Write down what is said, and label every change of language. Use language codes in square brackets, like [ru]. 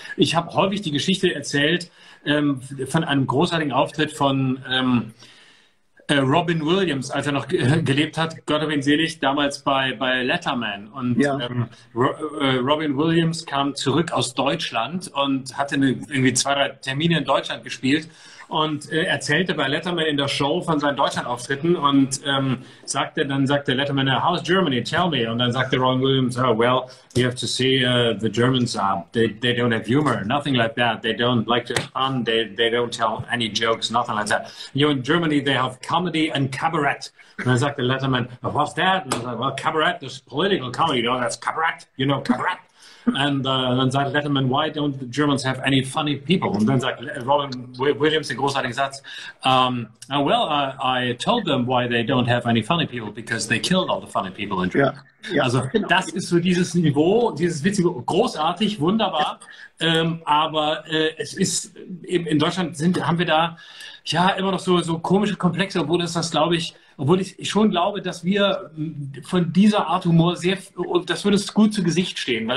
[de] Ich habe häufig die Geschichte erzählt von einem großartigen Auftritt von Robin Williams, als er noch gelebt hat, Gott hab ihn selig, damals bei Letterman. Und Ja. Robin Williams kam zurück aus Deutschland und hatte irgendwie zwei, drei Termine in Deutschland gespielt. Und erzählte bei Letterman in der Show von seinen Deutschlandauftritten und sagte Letterman, how's Germany? [en] Tell me. Und dann sagte Ron Williams, oh, well, you have to see the Germans are, they don't have humor, nothing like that. They don't like to have fun, they don't tell any jokes, nothing like that. You know, in Germany they have comedy and cabaret. Und dann sagte Letterman, what's that? Und dann sagte, well, cabaret, this is political comedy, you know, that's cabaret, you know, cabaret. Und dann sagt Letterman, why don't the Germans have any funny people? Und dann sagt Robin Williams den großartigen Satz, well, I told them why they don't have any funny people, because they killed all the funny people in Germany. [de] Ja, Also genau. das ist so dieses Niveau, dieses witzige, großartig, wunderbar, aber es ist eben in Deutschland haben wir da ja immer noch so komische Komplexe, obwohl das das glaube ich. Obwohl ich schon glaube, dass wir von dieser Art Humor sehr, und das würde es gut zu Gesicht stehen, weil